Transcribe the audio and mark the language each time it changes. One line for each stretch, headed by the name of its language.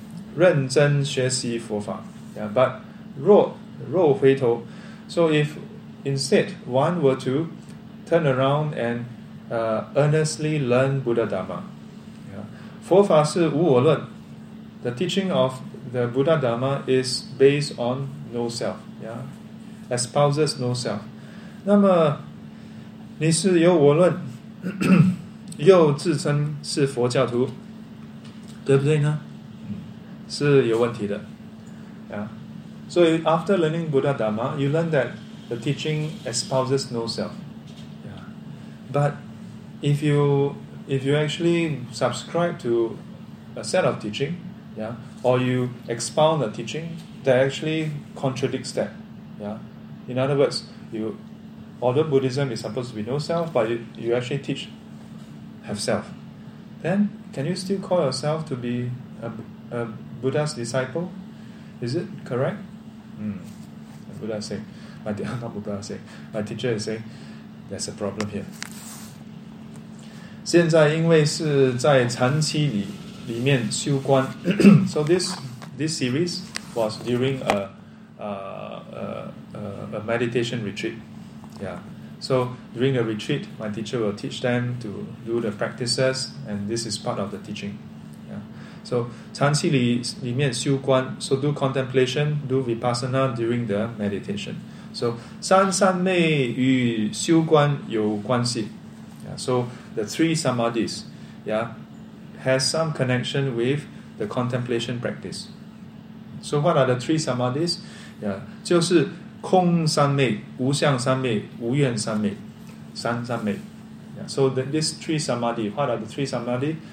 Chinese: 如回头认真学习佛法,
English: yeah, but
Chinese: 若回头,
English: so if instead one were to turn around and earnestly learn Buddha Dharma, yeah,
Chinese: 佛法是无我论,
English: the teaching of the Buddha Dharma is based on no self, yeah, espouses no self.
Chinese: 那么你是有我论, 又自称是佛教徒, 对不对呢? 是有问题的, yeah.
English: So after learning Buddha Dharma, you learn that the teaching espouses no self. Yeah. But if you actually subscribe to a set of teaching, yeah, or you expound a teaching that actually contradicts that. Yeah. In other words, although Buddhism is supposed to be no self, but you actually teach have self. Then can you still call yourself to be a Buddha's disciple? Is it correct? Buddha is saying, my teacher is saying, there's a problem here.
Chinese: 现在因为是在禅期里面修观,
English: so this series was during a meditation retreat. Yeah. So during the retreat, my teacher will teach them to do the practices, and this is part of the teaching. Yeah. So,
Chinese: 禅寺里面修观,
English: so do contemplation, do vipassana during the meditation.
Chinese: So, 三三昧与修观有关系.
English: Yeah, so, the three samadhis, yeah, has some connection with the contemplation practice. So, what are the three samadhis? Yeah,
Chinese: 就是空三昧、无相三昧、无愿三昧、三三昧.
English: Yeah, so, these three samadhi, what are the three samadhi?